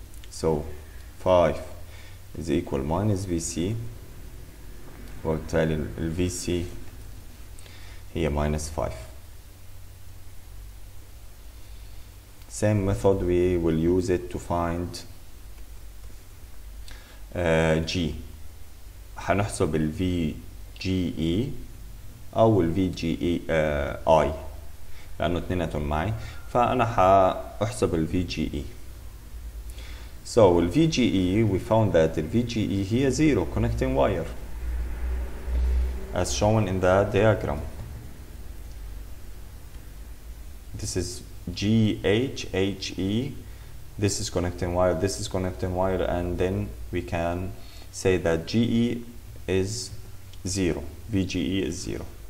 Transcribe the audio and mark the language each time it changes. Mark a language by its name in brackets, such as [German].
[English] So 5 is equal minus VC. We'll tell you VC here minus 5. Same method, we will use it to find G. [Arabic] هنحسب ال VGE أو ال VGEI لأنه اتنيناتهم معي، فأنا هأحسب ال VGE. [English] So ال VGE, we found that ال VGE [Arabic] هي [English] zero connecting wire as shown in the diagram. This is GHHE, this is connecting wire, this is connecting wire, and then we can say that GE is zero, VGE is zero.